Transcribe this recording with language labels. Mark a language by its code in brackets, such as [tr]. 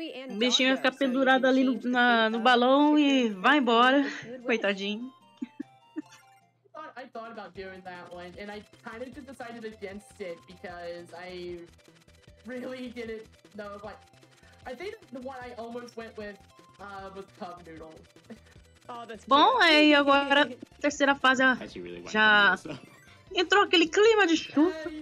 [pt] O bichinho vai ficar pendurado ali no balão e vai embora, coitadinho. [en] I thought about doing that one, and I kind of just decided against it because I really didn't know. Like, I think the one I almost went with was Cub Noodle. [pt] Bom, e agora a terceira fase já entrou aquele clima de chuva.